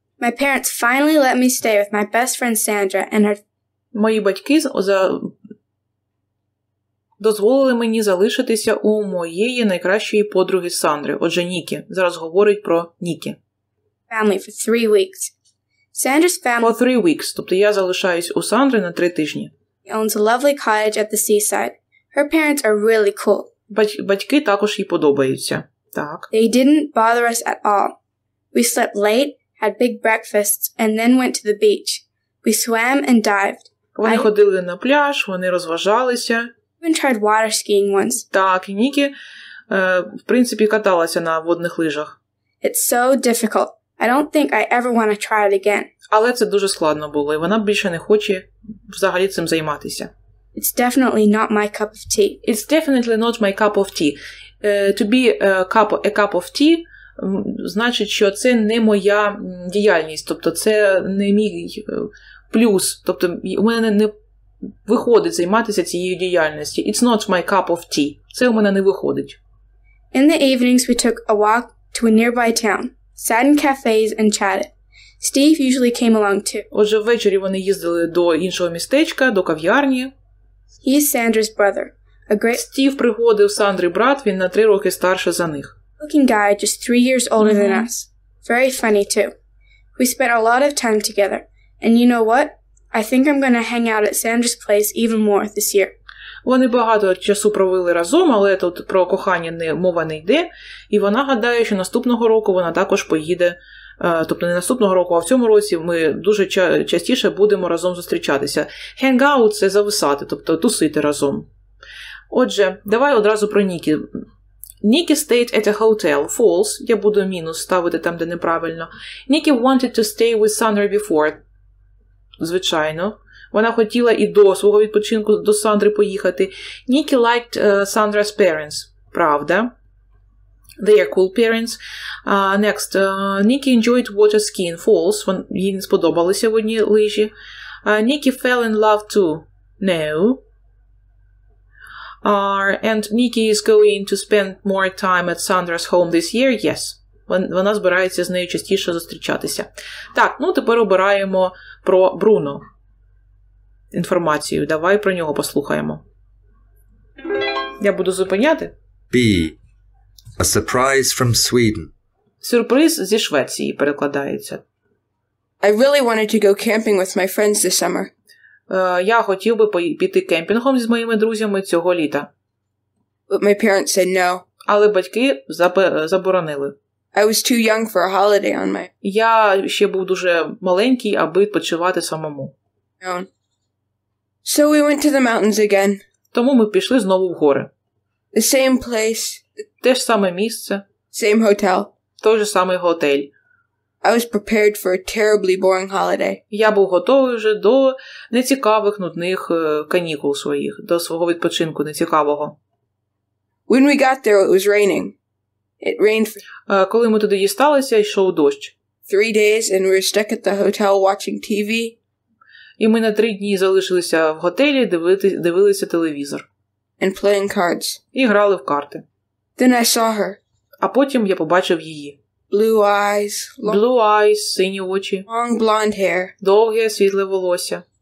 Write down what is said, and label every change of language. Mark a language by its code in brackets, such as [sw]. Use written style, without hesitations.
[en] My parents finally let me stay with my best friend Sandra and her... [uk] Мої батьки дозволили мені залишитися у моєї найкращої подруги Сандри, отже Нікі. Зараз говорить про Нікі. [en] Family for 3 weeks. Sandra's family... For 3 weeks, [uk] тобто я залишаюсь у Сандри на 3 тижні. [en] She owns a lovely cottage at the seaside. Her parents are really cool. [uk] Батьки також їй подобаються. Так. [en] They didn't bother us at all. We slept late, had big breakfasts, and then went to the beach. We swam and dived. [uk] Вони ходили на пляж, вони розважалися. [en] Even tried water skiing once. [uk] Так, і Нікі, в принципі, каталася на водних лижах. [en] It's so difficult. I don't think I ever want to try it again. [uk] Але це дуже складно було, і вона більше не хоче взагалі цим займатися. [en] It's definitely not my cup of tea. It's definitely not my cup of tea. To be a cup of tea [uk] значить, що це не моя діяльність, тобто це не мій плюс, тобто у мене не виходить займатися цією діяльністю. [en] It's not my cup of tea. [uk] Це у мене не виходить. [en] In the evenings we took a walk to a nearby town, sat in cafes and chatted. Steve usually came along too. [uk] Отже, ввечері вони їздили до іншого містечка, до кав'ярні. [en] He is Sandra's brother. A great [uk] Стів приходив Сандрі брат, він на 3 роки старше за них. [en] Looking guy just 3 years older mm-hmm. than us. Very funny too. We spent a lot of time together. And you know what? I think I'm going to hang out at Sandra's place even more this year. [uk] Вони багато часу провели разом, але тут про кохання не мова не йде, і вона гадає, що наступного року вона також поїде, тобто не наступного року, а в цьому році ми дуже частіше будемо разом зустрічатися. [en] Hang out [uk] – це зависати, тобто тусити разом. Отже, давай одразу про Нікі. Нікі [en] stayed at a hotel. False. [uk] Я буду мінус ставити там, де неправильно. [en] Нікі wanted to stay with Sandra before. [uk] Звичайно. Вона хотіла і до свого відпочинку до Сандри поїхати. [en] Нікі liked Sandra's parents. [uk] Правда. [en] They are cool parents. Next. Нікі enjoyed water skiing. False. [uk] Їй не сподобалися водні лижі. [en] Нікі fell in love too. No. And Nikki is going to spend more time at Sandra's home this year. Yes. [uk] Вона збирається з нею частіше зустрічатися. Так, ну тепер обираємо про Бруно інформацію. Давай про нього послухаємо. Я буду зупиняти? [en] B. A surprise from Sweden. [uk] Сюрприз зі Швеції перекладається. [en] I really wanted to go camping with my friends this summer. [uk] Я хотів би піти кемпінгом з моїми друзями цього літа. [en] But my parents said no. [uk] Але батьки заборонили. [en] I was too young for a holiday on my... [uk] Я ще був дуже маленький, аби відпочивати самому. [en] No. So we went to the mountains again. [uk] Тому ми пішли знову в гори. [en] The same place. [uk] Те ж саме місце. [en] Same hotel. [uk] Той же самий готель. [en] I was prepared for a terribly boring holiday. [uk] Я був готовий вже до нецікавих, нудних канікул своїх, до свого відпочинку нецікавого. [en] When we got there, it was raining. It rained for... [uk] Коли ми туди дісталися, йшов дощ. [en] 3 days and we were stuck at the hotel watching TV. [uk] І ми на 3 дні залишилися в готелі дивилися телевізор. [en] And playing cards. [uk] І грали в карти. [en] Then I saw her. [uk] А потім я побачив її. [en] Blue eyes, [uk] сині очі. [en] Long blonde hair. [uk] Довге світле волосся.